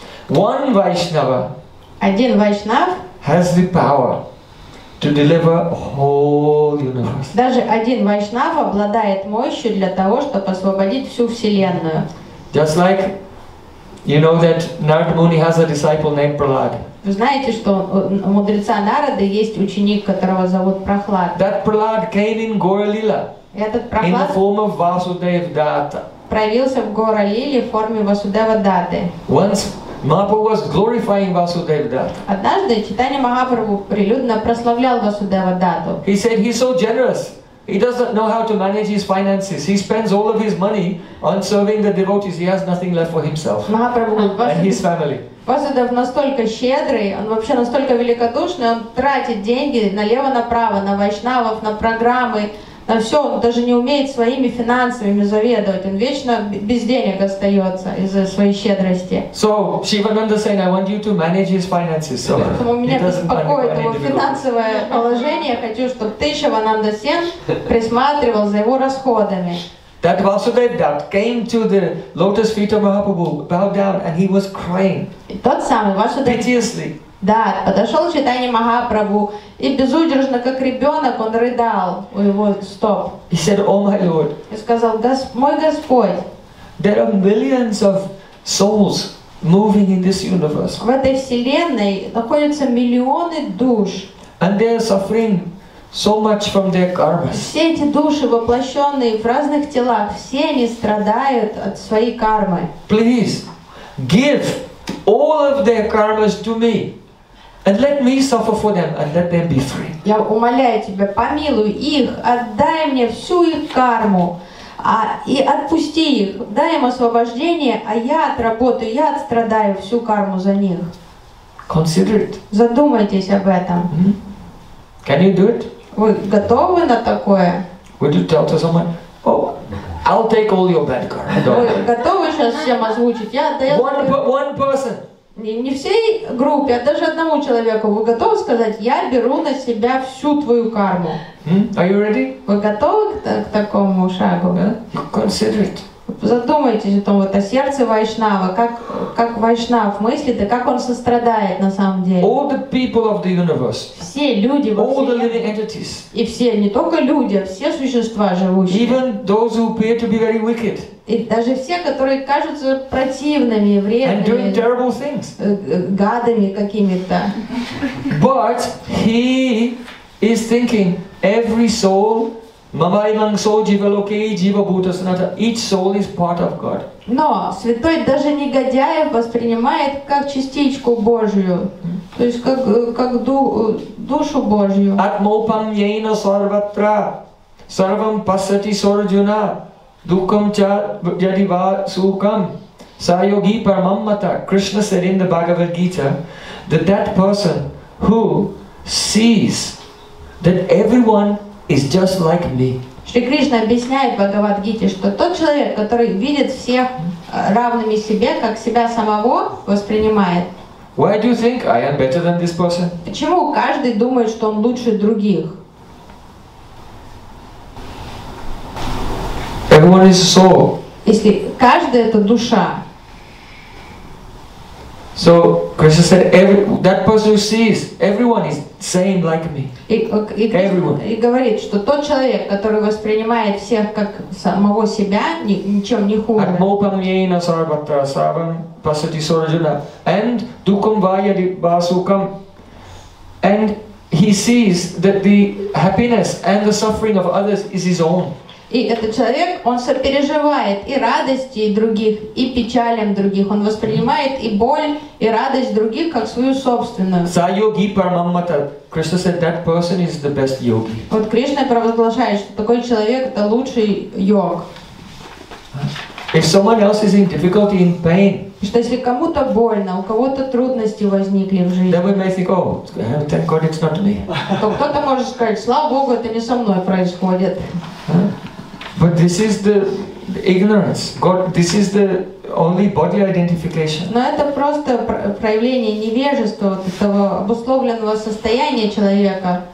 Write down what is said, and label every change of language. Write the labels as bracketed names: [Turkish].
[English] One Vaishnava, [Russian] один вайшнав, [English] has the power to deliver whole universe. [Russian] Даже один вайшнав обладает мощью для того, чтобы освободить всю вселенную. [English] Just like you know that Narad Muni has a disciple named Prahlad. [Russian] Вы знаете, что у мудреца Нарада есть ученик, которого зовут Прохлад. [English] That Prahlad came in Gauralila. [Russian] Этот Прохлад. [English] In the form of Vasudev Data. [Russian] Проявился в Гауралиле в форме Васудева Даты. [English] Once Mahaprabhu was glorifying Vasudev Datta. [Russian] Однажды Чайтанья Махапрабху прилюдно прославлял Васудева Датту. [English] He said he's so generous. He doesn't know how to manage his finances. He spends all of his money on serving the devotees. He has nothing left for himself and his family. [Russian] Васудев настолько щедрый, он вообще настолько великодушный, он тратит деньги налево-направо, на вайшнавов, на программы, на все, он даже не умеет своими финансами заведовать, он вечно без денег остается из-за своей щедрости. [English] So, Shivananda saying, I want you to manage his finances. So, [Russian] поэтому меня беспокоит его финансовое положение, я хочу, чтобы ты, Шивананда Сен, присматривал за его расходами. [English] That Vasudev Dutt came to the lotus feet of Mahaprabhu, bowed down, and he was crying. [Russian] Тот самый Васудев. [English] Piteously. [Russian] Да, подошел к Чайтанье Махапрабху и безудержно, как ребенок, он рыдал у его стоп. [English] He said, "Oh my Lord." [Russian] И сказал, мой Господь. [English] There are millions of souls moving in this universe. [Russian] В этой вселенной находятся миллионы душ. [English] And they are suffering. So much from their karma. [Russian] Все эти души, воплощенные в разных телах, все они страдают от своей кармы. [English] Please give all of their karmas to me, and let me suffer for them, and let them be free. [Russian] Я умоляю тебя, помилуй их, отдай мне всю их карму, и отпусти их, дай им освобождение, а я отработаю, я отстрадаю всю карму за них. [English] Consider it. [Russian] Задумайтесь об этом. [English] Can you do it? [Russian] Вы готовы на такое? [English] Would you tell to someone, oh, I'll take all your bad karma. [Russian] Вы готовы сейчас всем озвучить? Я даю. [English] One person. [Russian] Не всей группе, а даже одному человеку. Вы готовы сказать, я беру на себя всю твою карму? [English] Are you ready? [Russian] Вы готовы к такому шагу? [English] Consider it. [Russian] Задумайтесь о том, это сердце вайшнава, как вайшнав мыслит и как он сострадает на самом деле. [English] All the people of the universe. [Russian] Все люди во всем. [English] All the living entities. [Russian] И все, не только люди, а все существа живущие. [English] Even those who appear to be very wicked. [Russian] И даже все, которые кажутся противными, вредными. [English] And doing terrible things. [Russian] Гадами какими-то. [English] But he is thinking every soul. Each soul is part of God. [Russian] Но святой даже негодяев воспринимает как частичку Божью, то есть как душу Божью. [Sanskrit] Атмопам яйна сарватра, сарвам пассати сарджуна, дукам ча ядива сукам, сайоги парамаммата. [English] Krishna said in the Bhagavad Gita that that person who sees that everyone is just like me. [Russian] Шри Кришна объясняет в Бхагавад-гите, что тот человек, который видит всех равными себе, как себя самого воспринимает. [English] Why do you think I am better than this person? [Russian] Почему каждый думает, что он лучше других? [English] Everyone is soul. [Russian] Если каждый это душа. [English] So Krishna said, that person who sees everyone is same like me. Everyone. [Russian] И говорит, что тот человек, который воспринимает всех как самого себя, ничем не хуже. [Sanskrit] Атмопам яйна сарватра, сарвам пассати сарджуна, [English] and [Sanskrit] дукам ва ядива сукам. [English] And he sees that the happiness and the suffering of others is his own. [Russian] И этот человек, он сопереживает и радости других, и печалям других. Он воспринимает и боль, и радость других, как свою собственную. [Sanskrit] Сайоги пармаммата. [English] Krishna said, that person is the best yogi. [Russian] Вот Кришна провозглашает, что такой человек – это лучший йог. [English] If someone else is in difficulty, in pain, [Russian] что если кому-то больно, у кого-то трудности возникли в жизни, [English] then we may think, oh, thank God it's not me. [Russian] То кто-то может сказать, слава Богу, это не со мной происходит. [English] But this is the ignorance. God, this is the only body identification. [Russian] Но это просто проявление невежества этого обусловленного состояния человека.